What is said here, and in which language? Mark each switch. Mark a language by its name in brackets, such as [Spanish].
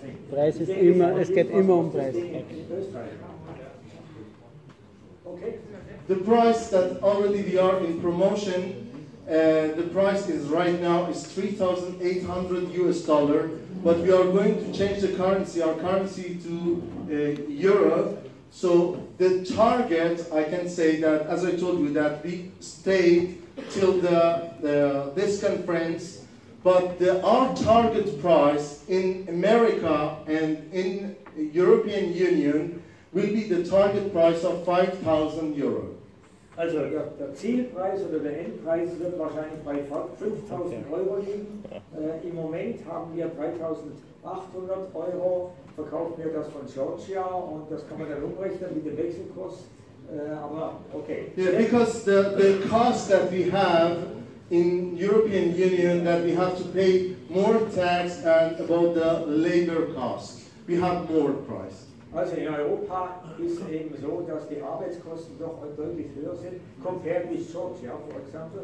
[German] Preis ist immer, es geht immer um Preis. [English] Okay. The price that already we are in promotion, the price is right now is $3,800, but we are going to change the currency, our currency to euro. So the target, I can say that, as I told you, that we stayed till this conference, but our target price in America and in European Union will be the target price of 5,000 euro. [German] Also der Zielpreis oder der Endpreis wird wahrscheinlich bei 5,000 Euro liegen. Im Moment haben wir 3,800 Euro, verkauft mir das von Georgia und das kann man dann umrechnen mit dem Wechselkurs. [English] Okay. Yeah, because the cost that we have in European Union, that we have to pay more tax and about the labor cost, we have more price. [German] Also in Europa ist eben so, dass die Arbeitskosten doch deutlich höher sind, [English] compared with jobs, yeah, for example.